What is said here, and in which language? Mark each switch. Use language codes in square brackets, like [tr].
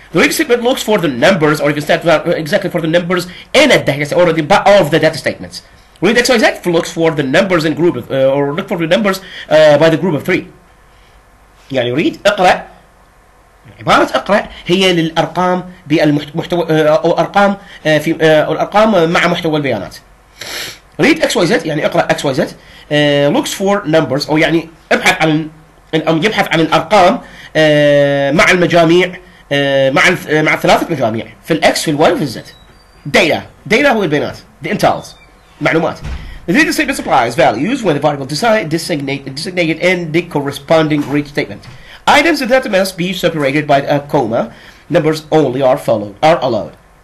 [en] The read statement looks for the numbers, or you can start exactly for the numbers in a data set or the of the data statements. Read XYZ looks for the numbers in group of, or look for the numbers by the group of three. [ar] يعني read. اقرا. عبارة اقرأ هي للأرقام بالمحتوى أو أرقام في الأرقام مع محتوى البيانات. read XYZ يعني اقرأ XYZ [en] looks for numbers [ar] أو يعني ابحث عن أو يبحث عن الأرقام مع المجاميع مع ثلاثة مجاميع في الـ X في الـ Y في الـ Z. [en] data [ar] هو البيانات [en] the intels [ar] معلومات. [en] The data statement supplies values when the variable designated in the corresponding read statement. Items in the data must be separated by a comma. Numbers only are allowed.